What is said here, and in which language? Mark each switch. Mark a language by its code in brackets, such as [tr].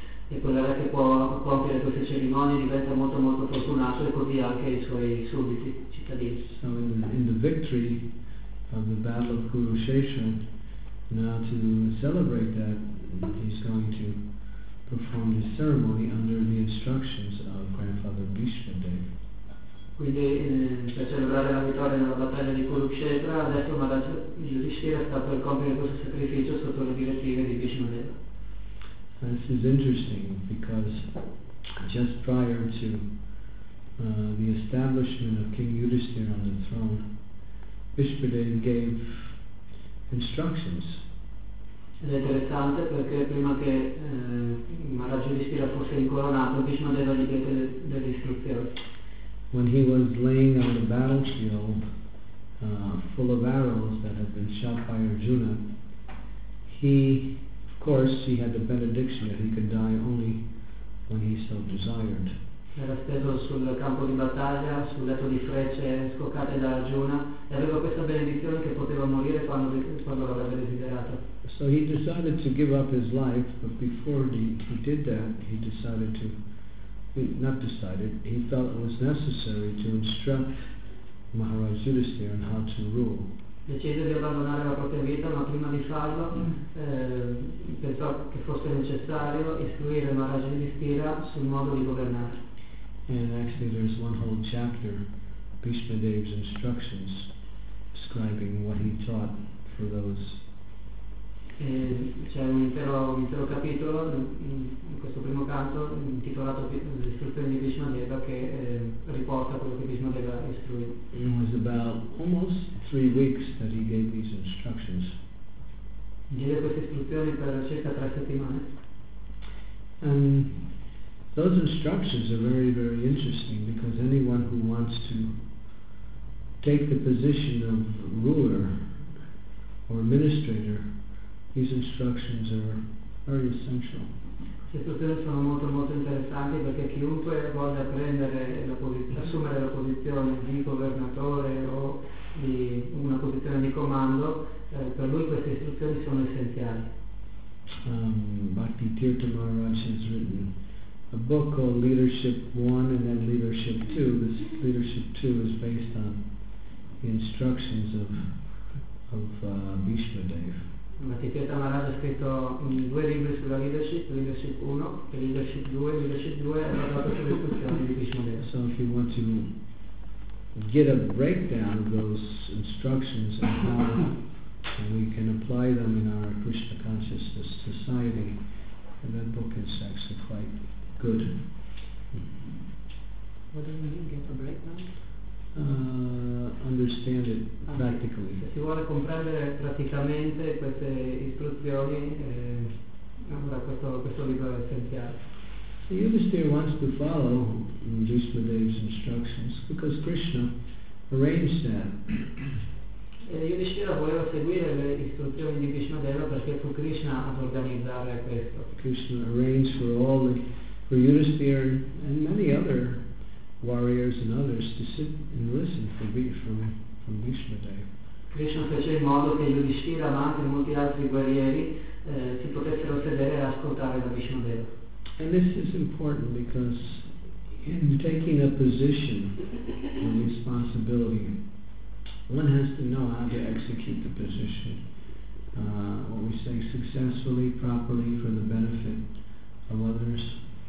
[it] E quella che può compiere queste cerimonie diventa molto molto fortunato, e così anche i suoi sudditi cittadini. [en] So in the victory of the battle of Kurukshetra, now to celebrate that, he's going to perform this ceremony under the instructions of Grandfather Bhishma Dev. [it] Quindi per celebrare la vittoria nella battaglia di Kurukshetra, adesso Maharaj Yudhisthira sta per compiere questo sacrificio sotto le direttive di Bhishma Dev. [en] This is interesting because just prior to the establishment of King Yudhisthira on the throne, Bhishmadev gave instructions. [it] Ed è interessante perché prima che Maharaj Yudhisthira fosse incoronato, Bhishmadeva gli diede delle istruzioni. [en] When he was laying on the battlefield full of arrows that had been shot by Arjuna, of course, he had the benediction that he could die only when he so desired. [it] Era steso sul campo di battaglia, sul letto di frecce scoccate da Arjuna, e aveva questa benedizione che poteva morire quando l'aveva desiderato. [en] So he decided to give up his life, but before he did that, he felt it was necessary to instruct Maharaj Yudhisthira on how to rule. [it] Decise di abbandonare la propria vita, ma prima di farlo pensò che fosse necessario istruire Maharaj Yudhisthira sul modo di governare. [en] And actually there's one whole chapter, Bhishma Dev's instructions, describing what he taught for those. [it] E c'è un intero capitolo in questo primo canto intitolato le istruzioni di Bhishma Deva, che riporta quello che Bhishma Deva istruì. [en] It was about almost 3 weeks that he gave these instructions. [it] Diede queste istruzioni per circa 3 settimane. [en] And those instructions are very, very interesting because anyone who wants to take the position of ruler or administrator, these instructions are very essential. [it] Le istruzioni sono molto molto interessanti perché chiunque voglia prendere assumere la posizione di governatore o di una posizione di comando, per lui queste istruzioni sono essenziali. [en] Bhakti Tirtha Maharaj has written a book called Leadership 1 and then Leadership 2. This Leadership 2 is based on the instructions of Bhishma Dev. [it] Bhaktivedanta Maharaj ha scritto 2 libri sulla leadership, Leadership 1 e Leadership 2. Leadership 2 ha parlato sulle istruzioni di Bhishma Dev. [en] So if you want to get a breakdown of those instructions and how we can apply them in our Krishna consciousness society, and that book is actually quite good. What do you mean, get a breakdown? Understand it practically. [it] Se si vuole comprendere praticamente queste istruzioni, allora questo libro è essenziale. [en] So Yudhisthira wants to follow Jishmadev's instructions because Krishna arranged that. [it] Yudhisthira voleva seguire le istruzioni di Vishnudeva perché fu Krishna ad organizzare questo. [en] Krishna arranged for all the for Yudhisthira and many other warriors and others to sit and listen from Vishnudeva. [it] Krishna fece in modo che Yudhisthira ma anche molti altri guerrieri si potessero sedere e ascoltare da Vishnudeva. [en] And this is important because in taking a position of responsibility, one has to know how to execute the position, what we say, successfully, properly, for the benefit of others.